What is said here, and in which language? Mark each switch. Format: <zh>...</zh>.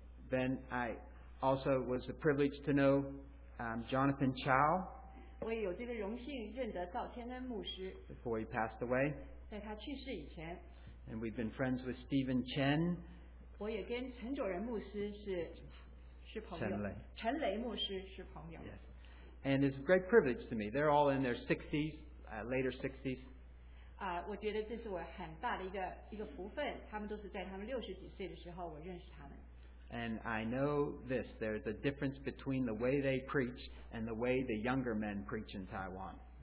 <en>Then I also was the privilege to know Jonathan Chow.</en> <zh>我也有这个荣幸认得赵天恩牧师。</zh> <en>Before he passed away.</en> <zh>在他去世以前。</zh> <en>And we've been friends with Stephen Chen.</en> <zh>我也跟陈佐仁牧师是朋友。陈雷牧师是朋友。</zh> <en>Yes. And it's a great privilege to me. They're all in their 60s, later 60s.</en> <zh>我觉得这是我很大的一个福分，他们都是在他们60几岁的时候，我认识他们。</zh> <en>And I know this, there's a difference between the way they preach and the way the younger men preach in Taiwan.</en>